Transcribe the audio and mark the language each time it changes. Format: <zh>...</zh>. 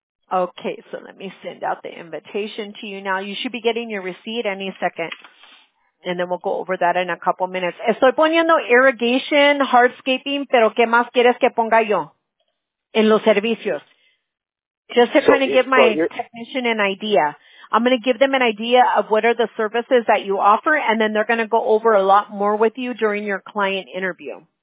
<en>Okay, so let me send out the invitation to you now. You should be getting your receipt any second. And then we'll go over that in a couple minutes.</en> <es>Estoy poniendo irrigation, hardscaping, pero ¿qué más quieres que ponga yo en los servicios?</es> <en>Just to kind of give my technician an idea. I'm going to give them an idea of what are the services that you offer, and then they're going to go over a lot more with you during your client interview.</en>